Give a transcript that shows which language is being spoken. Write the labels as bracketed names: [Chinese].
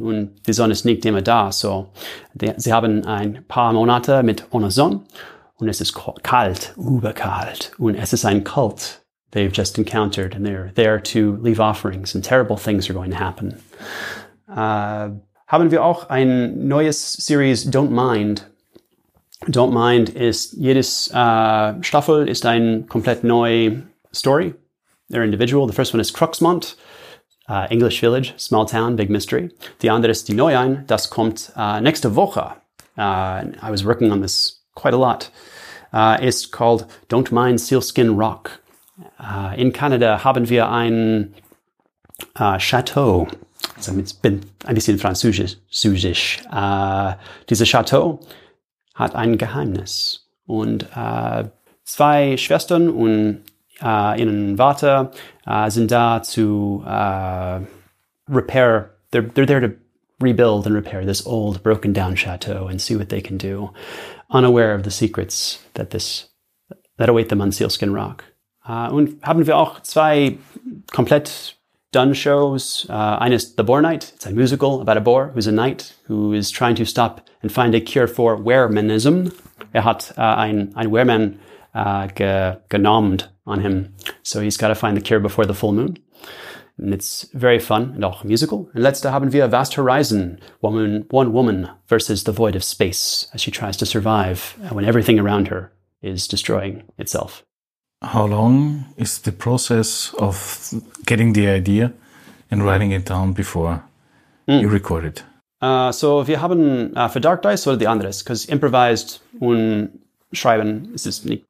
[German] Und die Sonne ist nicht immer da. So, sie haben ein paar Monate mit ohne Sonne. Und es ist kalt, überkalt. Und es ist ein Kult [English] they've just encountered. And they're there to leave offerings. And terrible things are going to happen. [German] Haben wir auch ein neues Series, Don't Mind. Don't Mind ist, jedes Staffel ist ein komplett neue Story. [English] They're individual. The first one is Cruxmont, English Village, small town, big mystery. [German] Die andere ist die Neuein, das kommt nächste Woche. [English] I was working on this quite a lot. Ist called Don't Mind Sealskin Rock. [German] In Canada haben wir ein Chateau, also es bin ein bisschen französisch, dieses Chateau hat ein Geheimnis. Und zwei Schwestern und ihren Vater sind da zu [English] repair, they're there to rebuild and repair this old broken down chateau and see what they can do, unaware of the secrets that that await them on Sealskin Rock. [German] Und haben wir auch zwei komplett done shows. Eines, The Boar Knight. [English] It's a musical about a boar who's a knight who is trying to stop and find a cure for weremanism. [German] Hat ein wehrmann genommen [English] on him. So he's got to find the cure before the full moon. And it's very fun and auch musical. [German] Und letzte haben wir Vast Horizon. [English] One woman versus the void of space as she tries to survive when everything around her is destroying itself. How long is the process of getting the idea and writing it down before you record it? [German] So wir haben für Dark Dice oder die anderes, [English] because improvised [German] und schreiben, ist es nicht?